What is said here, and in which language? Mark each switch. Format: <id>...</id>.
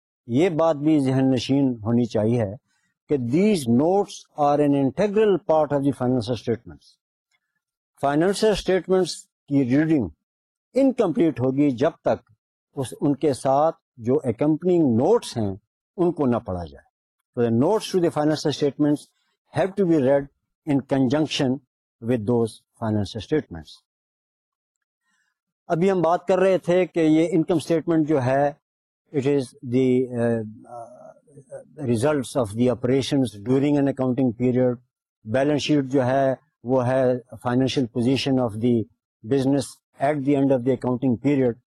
<ur>یہ بات بھی ذہن نشین ہونی چاہیے کہ</ur> <en>These notes are an integral part of the financial statements.</en> <ur>Financial statements کی ریڈنگ انکمپلیٹ ہوگی جب تک ان کے ساتھ جو اکمپنگ نوٹس ہیں ان کو نہ پڑھا جائے.</ur> <en>So the notes to the financial statements have to be read in conjunction with those financial statements.</en> <ur>ابھی ہم بات کر رہے تھے کہ یہ انکم اسٹیٹمنٹ جو ہے</ur> <en>It is the results of the operations during an accounting period.</en> <ur>Balance sheet جو ہے وہ ہے</ur> <en>Financial position of the business at the end of the accounting period.</en>